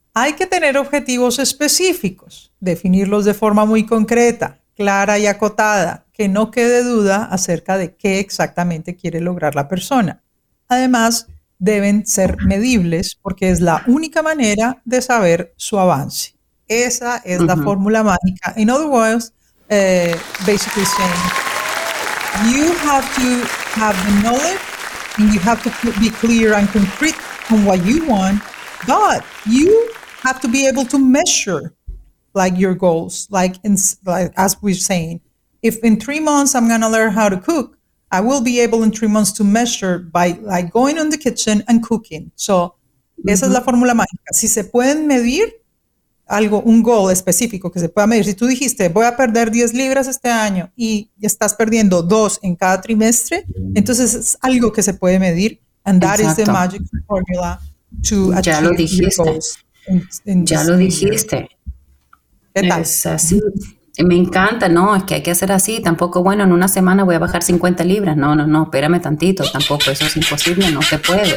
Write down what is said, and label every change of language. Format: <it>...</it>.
<es>Hay que tener objetivos específicos, definirlos de forma muy concreta, clara y acotada, que no quede duda acerca de qué exactamente quiere lograr la persona. Además, deben ser medibles porque es la única manera de saber su avance. Esa es, uh-huh, la fórmula mágica.</es> <en>In other words, basically saying, you have to have the knowledge and you have to be clear and concrete on what you want, but you have to be able to measure like your goals, like as we're saying, if in 3 months I'm going to learn how to cook, I will be able in 3 months to measure by like going in the kitchen and cooking.</en> <es>So, mm-hmm, esa es la fórmula mágica. Si se pueden medir algo, un goal específico que se pueda medir. Si tú dijiste, voy a perder 10 libras este año y estás perdiendo 2 en cada trimestre, entonces es algo que se puede medir.</es> <en>And that, exacto, is the magic formula to achieve your goals.</en> <es>Ya lo dijiste. ¿Qué tal? Es así. Me encanta, no, es que hay que hacer así. Tampoco, bueno, en una semana voy a bajar 50 libras. No, no, no, espérame tantito. Tampoco, eso es imposible, no se puede.</es>